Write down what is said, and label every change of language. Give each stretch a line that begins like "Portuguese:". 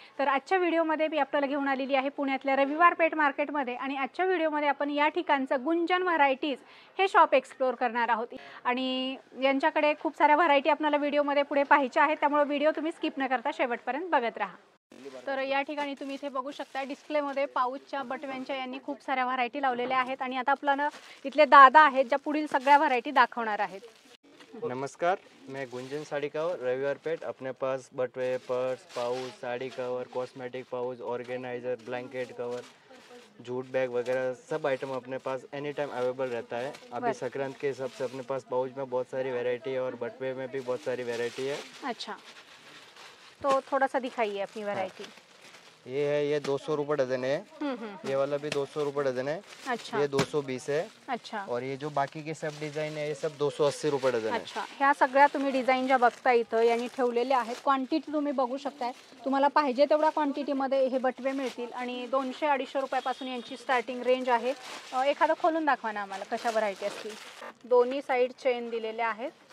Marathi: तर आजच्या व्हिडिओमध्ये मी आपल्याला घेऊन आलेली आहे पुण्यातल्या रविवार पेठ मार्केटमध्ये, आणि आजच्या व्हिडिओमध्ये आपण या ठिकाणचं गुंजन व्हरायटीज हे शॉप एक्सप्लोअर करणार आहोत, आणि यांच्याकडे खूप साऱ्या व्हरायटी आपल्याला व्हिडिओमध्ये पुढे पाहायच्या आहेत, त्यामुळे व्हिडिओ तुम्ही स्किप न करता शेवटपर्यंत बघत राहा। तर या ठिकाणी तुम्ही इथे बघू शकता डिस्प्लेमध्ये पाऊचच्या बटव्यांच्या यांनी खूप साऱ्या व्हरायटी लावलेल्या आहेत, आणि आता आपला ना इथले दादा आहेत ज्या पुढील सगळ्या व्हरायटी दाखवणार आहेत।
Hindi: नमस्कार, मैं गुंजन साड़ी कवर रविवार पेठ, अपने पास बटवे, purse, pouch, sari cover, cosmetic pouch, organiser, blanket cover, jute bag वगैरह सब आइटम अपने पास एनी टाइम अवेलेबल रहता है। अभी संक्रांत के हिसाब से अपने पास पाउच में बहुत सारी वैरायटी है और बटवे में भी बहुत सारी वैरायटी है। अच्छा, तो थोड़ा सा दिखाइए अपनी वैरायटी। ये है, ये 200 रुपए दर्जन है, ये वाला भी 200 रुपए दर्जन है। अच्छा। ये 220 है। अच्छा। और ये जो बाकी के सब डिजाइन है ये सब 280 रुपए दर्जन है।
Marathi: अच्छा, ह्या सगळ्या तुम्ही डिजाइन ज्या बघता इथं यांनी ठेवलेले आहेत, क्वांटिटी तुम्ही बघू शकताय, तुम्हाला पाहिजे तेवढ्या क्वांटिटी मध्ये हे बटवे मिळतील, आणि 200-250 रुपये पासून यांची स्टार्टिंग रेंज आहे। एखादं खोलून दाखवा ना आम्हाला कशा व्हरायटी असतील। दोन्ही साइड चेन दिलेल्या आहेत।